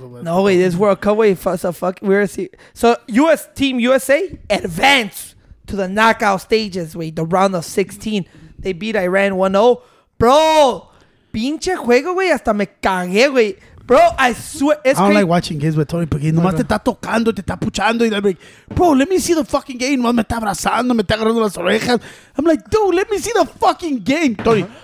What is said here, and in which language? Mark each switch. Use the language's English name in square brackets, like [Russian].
[English] No way, this World Cup way. So US team USA advance to the knockout stages, wait, the round of 16. They beat Iran 1-0. [Spanish] Bro, pinche juego, güey, hasta me cagué, güey. [English] Bro, I swear. It's I don't like watching games with Tony [Spanish] porque nomás te está tocando, te está puchando. [English] Y like, bro, let me see the fucking game. [Spanish] Nomás me está abrazando, me está agarrando las orejas. [English] I'm like, dude, let me see the fucking game, Tony.